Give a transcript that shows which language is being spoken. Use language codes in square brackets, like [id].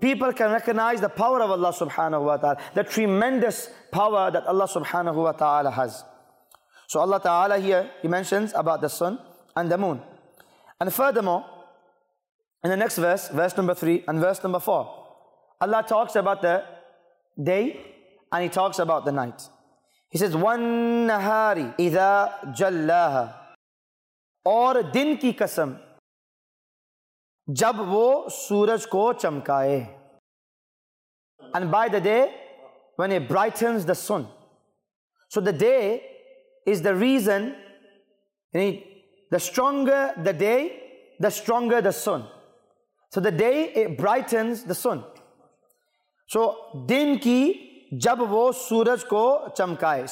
[en] People can recognize the power of Allah subhanahu wa ta'ala, the tremendous power that Allah subhanahu wa ta'ala has. So Allah Ta'ala here, He mentions about the sun and the moon. And furthermore, in the next verse, verse number 3 and verse number 4, Allah talks about the day and He talks about the night. [ur] He says, [ar] وَالنَّهَارِ إِذَا جَلَّاهَا [ur] اور دن کی قسم جب وہ سورج کو چمکائے. [en] And by the day, when it brightens the sun. So the day is the reason, the stronger the day, the stronger the sun. So the day, it brightens the sun. So, [ur] din ki jab wo suraj ko chamkaye.